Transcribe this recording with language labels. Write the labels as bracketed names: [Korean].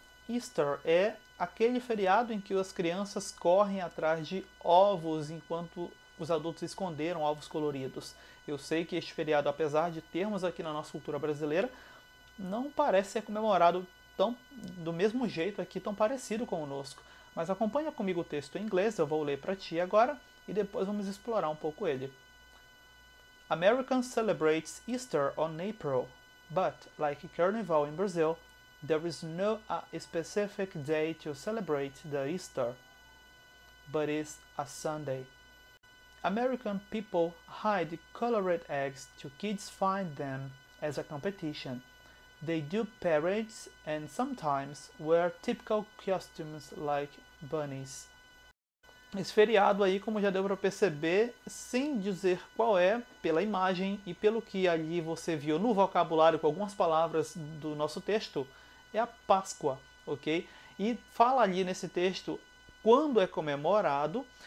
[Portuguese] Easter é aquele feriado em que as crianças correm atrás de ovos enquanto os adultos esconderam ovos coloridos. Eu sei que este feriado, apesar de termos aqui na nossa cultura brasileira, não parece ser comemorado tão do mesmo jeito aqui, tão parecido conosco. Mas acompanha comigo o texto em inglês, eu vou ler para ti agora e depois vamos explorar um pouco ele. [English] Americans celebrates Easter on April, but like Carnival in Brazil, there is no a specific day to celebrate the Easter, but it's a Sunday. American people hide colored eggs to kids find them as a competition. They do parades and sometimes wear typical costumes like bunnies. [Portuguese] Esse feriado aí, como já deu para perceber, sem dizer qual é, pela imagem e pelo que ali você viu no vocabulário com algumas palavras do nosso texto, é a Páscoa, ok? E fala ali nesse texto quando é comemorado.